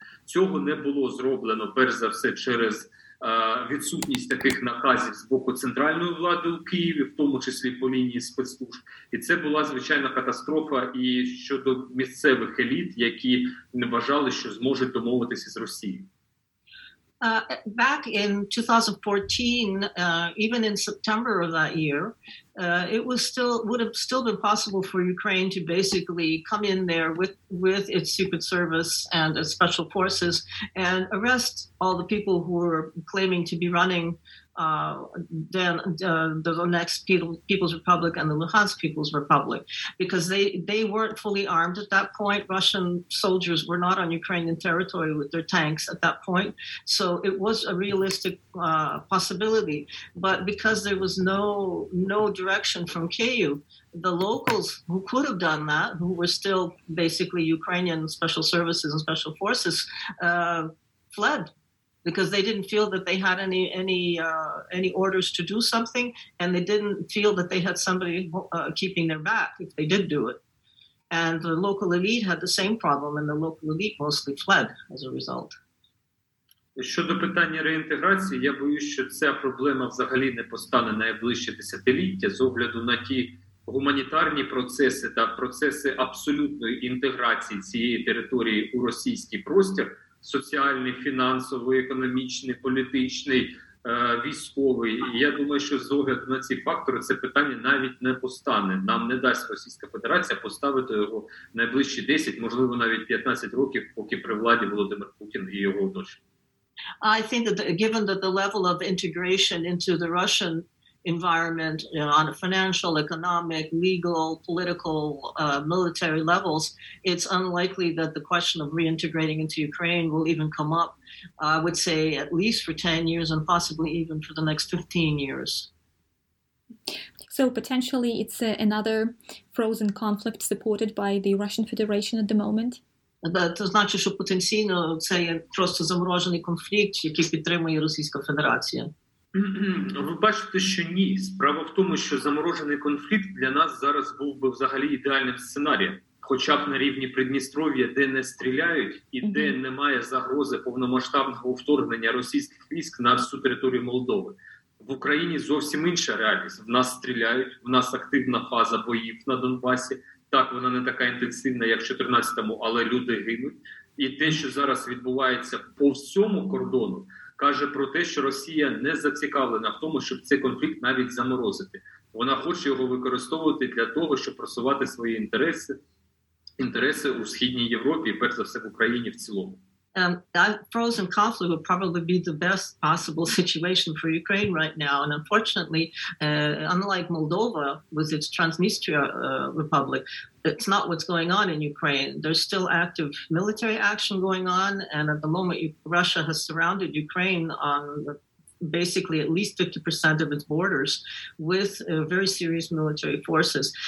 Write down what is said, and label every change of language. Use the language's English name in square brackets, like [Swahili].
[Ukrainian] Цього не було зроблено, перш за все, через відсутність таких наказів з боку центральної влади у Києві, в тому числі по лінії спецслужб. І це була звичайна катастрофа і щодо місцевих еліт, які не вважали, що зможуть домовитися з Росією. [English] Back in 2014, even in September of that year, it would have still been possible for Ukraine to basically come in there with its secret service and its special forces and arrest all the people who were claiming to be running the Donetsk People's Republic and the Luhansk People's Republic, because they weren't fully armed at that point. Russian soldiers were not on Ukrainian territory with their tanks at that point. So it was a realistic possibility. But because there was no direction from Kyiv, the locals who could have done that, who were still basically Ukrainian special services and special forces, fled. Because they didn't feel that they had any orders to do something, and they didn't feel that they had somebody keeping their back if they did do it. And the local elite had the same problem, and the local elite mostly fled as a result. [Ukrainian] Щодо питання реінтеграції, я боюсь, що ця проблема взагалі не постане найближче десятиліття з огляду на ті гуманітарні процеси та процеси абсолютної інтеграції цієї території у російський простір. Соціальний, фінансовий, економічний, політичний, військовий. І я думаю, що з огляду на ці фактори це питання навіть не постане. Нам не дасть Російська Федерація поставити його найближчі 10, можливо, навіть 15 років, поки при владі Володимир Путін і його оточення. [English] I think that given that the level of integration into the Russian environment, you know, on a financial, economic, legal, political, military levels, it's unlikely that the question of reintegrating into Ukraine will even come up, I would say, at least for 10 years and possibly even for the next 15 years. So potentially it's another frozen conflict supported by the Russian Federation at the moment? [Ukrainian] Це значить, що потенційно це просто заморожений конфлікт, який підтримує Російська Федерація. Ви бачите, що ні. Справа в тому, що заморожений конфлікт для нас зараз був би взагалі ідеальним сценарієм. Хоча б на рівні Придністров'я, де не стріляють і де немає загрози повномасштабного вторгнення російських військ на всю територію Молдови. В Україні зовсім інша реальність. В нас стріляють, в нас активна фаза боїв на Донбасі. Так, вона не така інтенсивна, як в 14-му, але люди гинуть. І те, що зараз відбувається по всьому кордону, каже про те, що Росія не зацікавлена в тому, щоб цей конфлікт навіть заморозити. Вона хоче його використовувати для того, щоб просувати свої інтереси у Східній Європі, перш за все в Україні в цілому. [English] That frozen conflict would probably be the best possible situation for Ukraine right now. And unfortunately, unlike Moldova with its Transnistria Republic, it's not what's going on in Ukraine. There's still active military action going on. And at the moment, Russia has surrounded Ukraine on basically at least 50% of its borders with very serious military forces.